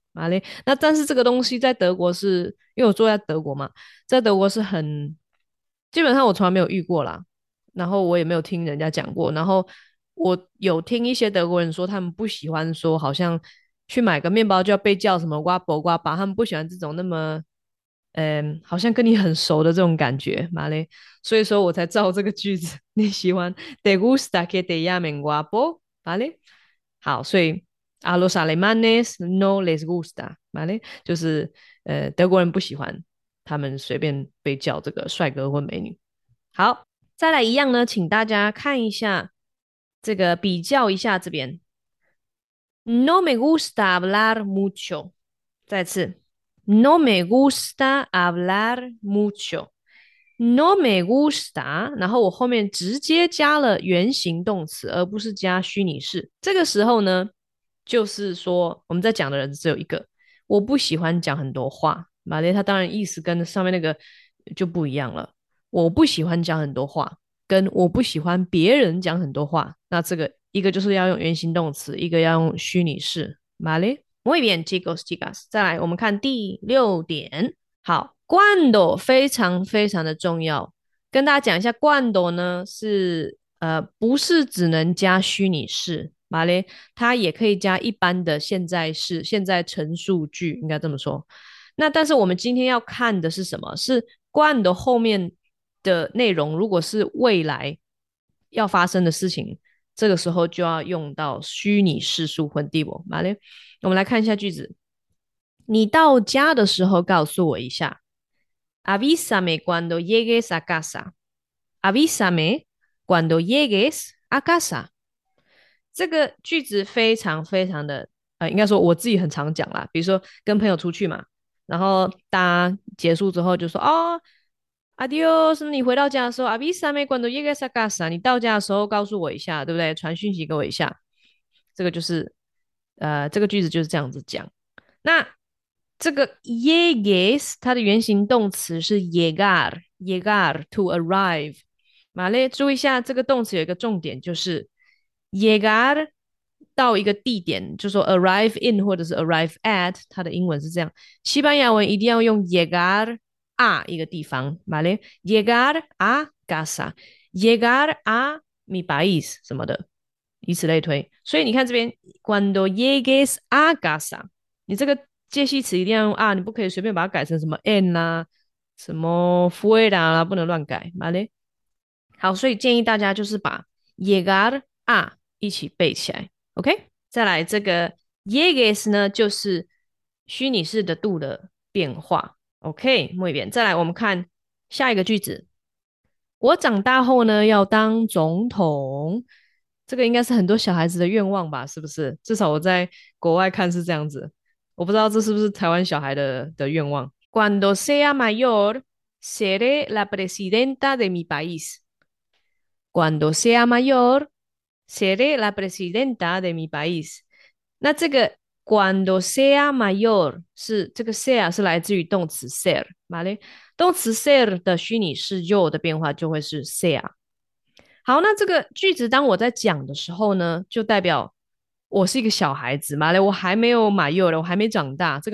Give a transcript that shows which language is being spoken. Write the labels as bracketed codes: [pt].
[zh] 马嘞，那但是这个东西在德国是，因为我住在德国嘛，在德国是很，基本上我从来没有遇过啦，然后我也没有听人家讲过，然后我有听一些德国人说，他们不喜欢说好像去买个面包就要被叫什么瓜伯瓜巴，他们不喜欢这种那么，好像跟你很熟的这种感觉，马嘞，所以说我才造这个句子，你喜欢 [es] te gusta que te llamen [zh] 瓜伯，马嘞，好，所以。 [es] A los alemanes no les gusta, ¿vale? [zh] 就是德国人不喜欢他们随便被叫这个帅哥或美女。好，再来一样呢，请大家看一下这个比较一下这边。 [es] No me gusta hablar mucho。 再次，No me gusta hablar mucho。 No me gusta， [zh] 然后我后面直接加了原形动词，而不是加虚拟式。这个时候呢？就是说，我们在讲的人只有一个。我不喜欢讲很多话，马列他当然意思跟上面那个就不一样了。我不喜欢讲很多话，跟我不喜欢别人讲很多话，那这个一个就是要用原形动词，一个要用虚拟式。马列， [es] muy bien, chicos, chicas。 [zh] 再来，我们看第六点。好，cuando 非常非常的重要，跟大家讲一下，cuando 呢是不是只能加虚拟式？马嘞，它也可以加一般的现在式、现在陈述句，应该这么说。那但是我们今天要看的是什么？是 quando 后面的内容，如果是未来要发生的事情，这个时候就要用到虚拟式数混地不？马嘞，我们来看一下句子。你到家的时候告诉我一下。 [es] Avísame cuando llegues a casa. Avísame cuando llegues a casa. [zh] 这个句子非常非常的，应该说我自己很常讲啦。比如说跟朋友出去嘛，然后大家结束之后就说：“哦， Adios，你回到家的时候， [es] avísame cuando llegues a casa， [zh] 你到家的时候告诉我一下，对不对？传讯息给我一下。这个就是，这个句子就是这样子讲。那这个 llegues 它的原形动词是 llegar [en] to arrive。 [zh] 马列，注意一下，这个动词有一个重点，就是 llegar 到一个地点，就说 [en] arrive in [zh] 或者是 [en] arrive at， [zh] 它的英文是这样。西班牙文一定要用 llegar。啊，一个地方，vale, [es] llegar a casa，llegar a mi país [zh] 什么的，以此类推。所以你看这边， [es] cuando llegues a casa， [zh] 你这个介系词一定要用啊，你不可以随便把它改成什么 en 啊，什么 fuera 啊，不能乱改，vale。好，所以建议大家就是把 llegar a 一起背起来，OK。再来这个 llegues 呢，就是虚拟式的 do 的变化。OK，莫一遍。再来，我们看下一个句子。我长大后呢，要当总统。这个应该是很多小孩子的愿望吧？是不是？至少我在国外看是这样子。我不知道这是不是台湾小孩的愿望。 [es] Cuando sea mayor, seré la presidenta de mi país. Cuando sea mayor, seré la presidenta de mi país. [zh] 那这个。 [es] Cuando sea mayor [zh] 是这个 sea 是来自于动词 ser，马嘞，动词 ser 的虚拟式 yo 的变化就会是 sea。好，那这个句子当我在讲的时候呢，就代表我是一个小孩子，马嘞，我还没有 mayor 我还没长大。